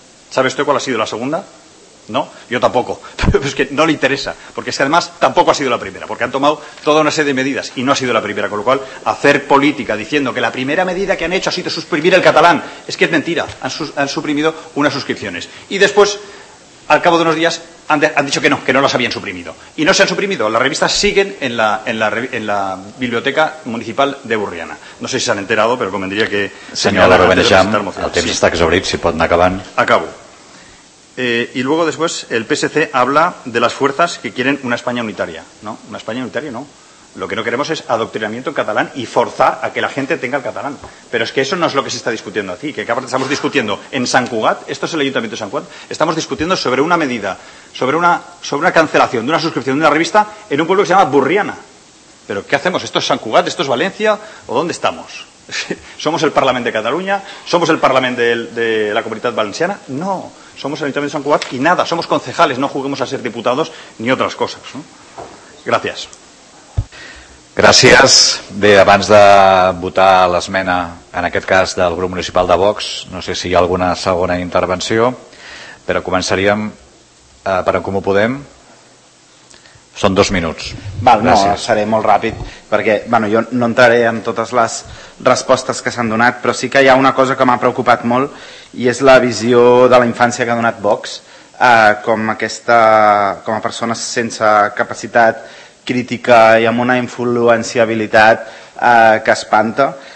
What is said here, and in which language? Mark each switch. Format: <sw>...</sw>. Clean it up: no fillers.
<es>¿Sabe usted cuál ha sido la segunda? No, yo tampoco. Pero es que no le interesa, porque es que además tampoco ha sido la primera, porque han tomado toda una serie de medidas y no ha sido la primera, con lo cual hacer política diciendo que la primera medida que han hecho ha sido suprimir el catalán, es que es mentira. Han suprimido unas suscripciones y después, al cabo de unos días, han dicho que no las habían suprimido y no se han suprimido. Las revistas siguen en la biblioteca municipal de Burriana. No sé si se han enterado, pero convendría que</es> <ca>señora Benejam, el temps està que s'obrir, si pot anar acabant.</ca> <es>Acabo. Y luego después el PSC habla de las fuerzas que quieren una España unitaria, ¿no? Una España unitaria, no. Lo que no queremos es adoctrinamiento en catalán y forzar a que la gente tenga el catalán. Pero es que eso no es lo que se está discutiendo aquí, que aparte estamos discutiendo en Sant Cugat, esto es el Ayuntamiento de Sant Cugat, estamos discutiendo sobre una medida, sobre una cancelación de una suscripción de una revista en un pueblo que se llama Burriana. ¿Pero qué hacemos? ¿Esto es Sant Cugat? ¿Esto es Valencia? ¿O dónde estamos? ¿Somos el Parlamento de Cataluña? ¿Somos el Parlamento de la Comunidad Valenciana? No. Somos el Ayuntamiento de Sant Cugat y nada, somos concejales, no juguemos a ser diputados ni otras cosas, ¿no? Gracias.</es> <ca>Gràcies. Bé, abans de votar l'esmena, en aquest cas del grup municipal de Vox, no sé si hi ha alguna segona intervenció. Però començaríem per en Comú Podem. Són dos minuts. Val, no, seré molt ràpid, perquè bueno, jo no entraré en totes les respostes que s'han donat, però sí que hi ha una cosa que m'ha preocupat molt, i és la visió de la infància que ha donat Vox, com a persona sense capacitat crítica i amb una influenciabilitat que espanta.</ca>